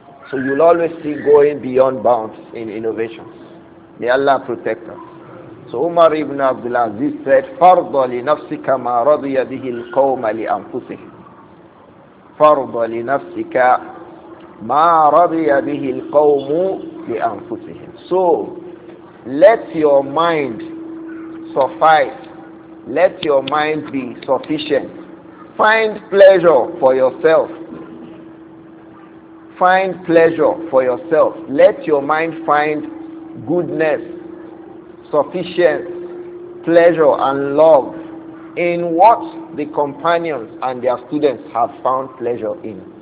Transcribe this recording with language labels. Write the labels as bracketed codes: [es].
[en] So you'll always see going beyond bounds in innovations. May Allah protect us. So Umar ibn Abdul Aziz said, [ar] فَرْضَ لِنَفْسِكَ مَا رَضِيَ بِهِ الْقَوْمَ لِأَنْفُسِهِمْ فَرْضَ لِنَفْسِكَ مَا رَضِيَ بِهِ الْقَوْمُ لِأَنْفُسِهِمْ [en] So let your mind suffice. Let your mind be sufficient. Find pleasure for yourself. Find pleasure for yourself. Let your mind find goodness, sufficiency, pleasure and love in what the companions and their students have found pleasure in.